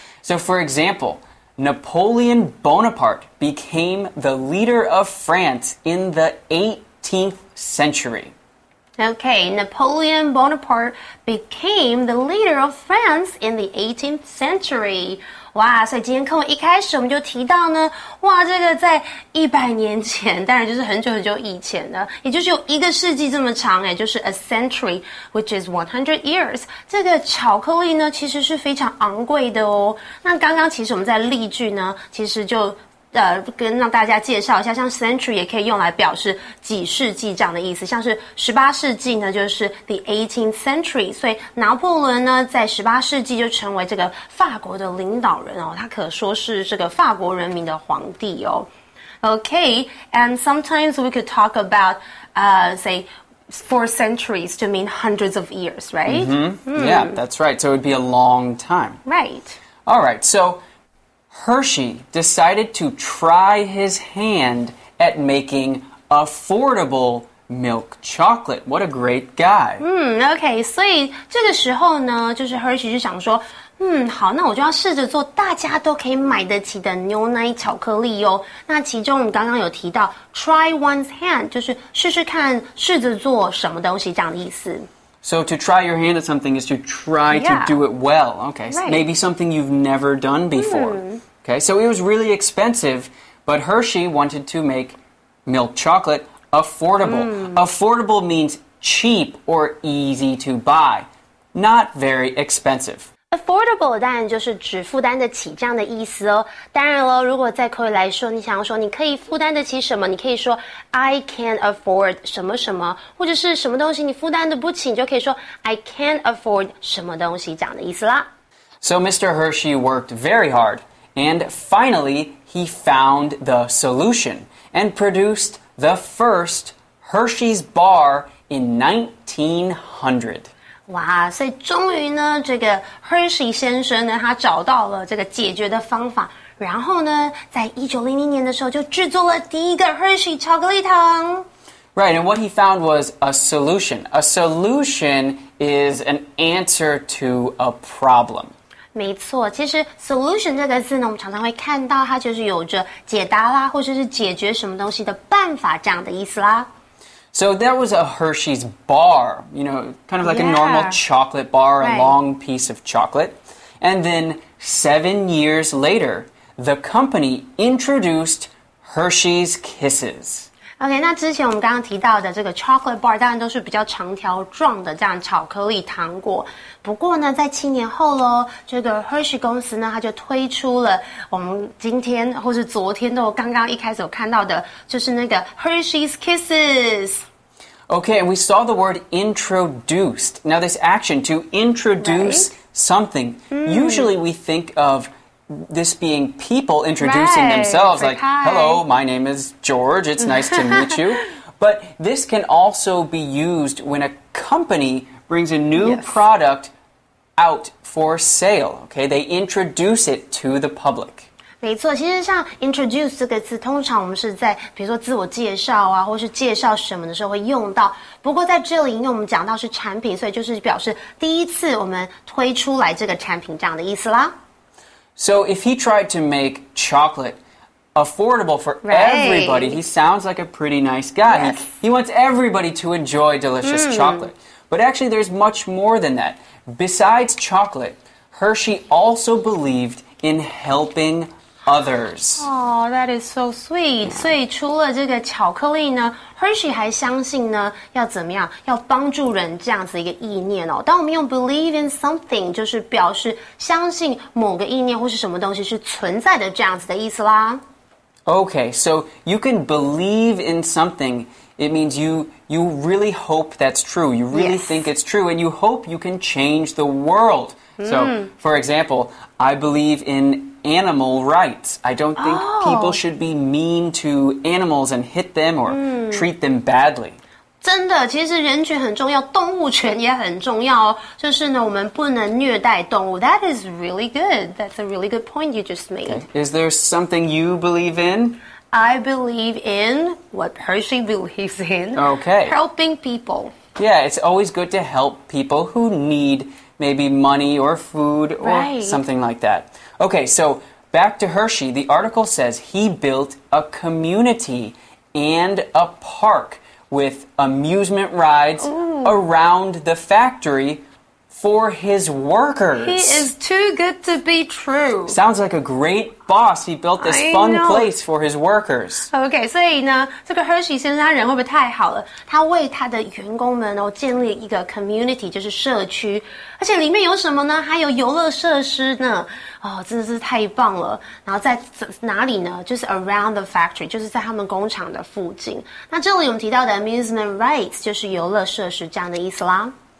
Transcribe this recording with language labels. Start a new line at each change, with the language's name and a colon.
English: So, for example, Napoleon Bonaparte became the leader of France in the 18th century. Okay, Napoleon Bonaparte became the leader of France in the 18th century.
Chinese: 哇，所以今天课文一开始我们就提到呢，哇，这个在100年前，当然就是很久很久以前的，也就是有一个世纪这么长，就是
English: a century, which is 100 years.
Chinese: 这个巧克力呢其实是非常昂贵的哦。那刚刚其实我们在例句呢其实就跟让大家介绍一下，像 century 也可以用来表示几世纪这样的意思，像是18世纪呢就是
English: the 18th century,
Chinese: 所以拿破仑呢在18世纪就成为这个法国的领导人哦，他可说是这个法国人民的皇帝哦。
English: Okay, and sometimes we could talk about say four centuries to mean hundreds of years, right? Mm-hmm. Yeah, that's right, so it would be a long time. Right. All right, soHershey decided to try his hand at making affordable milk chocolate. What a great guy.
Chinese: Okay, 所以这个时候呢就是 Hershey 就想说好，那我就要试着做大家都可以买得起的牛奶巧克力哦。那其中我们刚刚有提到
English: try one's hand,
Chinese: 就是试试看试着做什么东西这样的意思。
English: So to try your hand at something is to try to do it well. Okay,、 right. maybe something you've never done before.、 Mm. Okay, so it was really expensive, but Hershey wanted to make milk chocolate affordable.、 Affordable means cheap or easy to buy, not very expensive.
Chinese: Affordable 当然就是指负担得起这样的意思哦。当然了，如果在口语来说，你想要说你可以负担得起什么，你可以说
English: I can afford
Chinese: 什么什么，或者是什么东西你负担得不起，你就可以说 I can afford 什么东西这样的意思啦。
English: So Mr. Hershey worked very hard, and finally he found the solution and produced the first Hershey's bar in 1900. 哇，所以终于呢这个 Hershey 先生呢他找到了这个解决的方法，然后呢在1900年的时候就制作了第一个 Hershey 巧克力糖。 Right, and what he found was a solution. A solution is an answer to a problem. 没错，其实 solution 这个字呢我们常常会看到它就是有着解答啦，或者是解决什么东西的办法这样的意思啦。 So that was a Hershey's bar, you know, kind of like、 yeah. a normal chocolate bar,、 right. a long piece of chocolate. And then 7 years later, the company introduced Hershey's Kisses.
Chinese: Okay, 那之前我们刚刚提到的这个 chocolate bar 当然都是比较长条状的这样巧克力糖果。不过呢在七年后咯，这个 Hershey 公司呢它就推出了我们今天或是昨天都刚刚一开始有看到的，就是那个 Hershey's Kisses.
English: Okay, and we saw the word introduced. Now this action to introduce、 right? something,、 mm. usually we think of this being people introducing、 right. themselves, like, hi. Hello, my name is George, it's nice to meet you. But this can also be used when a company... brings a new、 yes. product out for sale. Okay, they introduce it to the public.
Chinese: 没错，其实像 introduce 这个字，通常我们是在比如说自我介绍啊，或是介绍什么的时候会用到。不过在这里，因为我们讲到是产品，所以就是表示第一次我们推出来这个产品这样的意思啦。
English: So if he tried to make chocolate affordable for、 right. everybody, he sounds like a pretty nice guy.、 Yes. He wants everybody to enjoy delicious、 mm. chocolate. But actually, there's much more than that. Besides chocolate, Hershey also believed in helping others. Oh, that is so sweet.
Chinese: 所以除了这个巧克力呢 ,Hershey 还相信呢要怎么样要帮助人这样子一个意念哦。当我们用
English: believe in something,
Chinese: 就是表示相信某个意念或是什么东西是存在的这样子的意思啦。
English: Okay, so you can believe in something... It means you really hope that's true. You really、 yes. think it's true, and you hope you can change the world.、 Mm. So, for example, I believe in animal rights. I don't think、 oh. people should be mean to animals and hit them or、mm. treat them badly.
Chinese: 真的，其实人权很重要，动物权也很重要哦。就是呢，我们不能虐待动物。
English: That is really good. That's a really good point you just made. Okay. Is there something you believe in? I believe in what Hershey believes in. Okay. Helping people. Yeah, it's always good to help people who need maybe money or food or、 right. something like that. Okay, so back to Hershey. The article says he built a community and a park. with amusement rides around the factory for his workers. He is too good to be true. Sounds like a great boss. He built this fun place for his workers.
Chinese: Okay, 所以呢，这个 Hershey 先生他人会不会太好了？他为他的员工们哦建立一个 community， 就是社区，而且里面有什么呢？还有游乐设施呢。哦，真的是太棒了。然后在哪里呢？就是
English: around the factory，
Chinese: 就是在他们工厂的附近。那这里我们提到的 amusement rides 就是游乐设施这样的意思啦。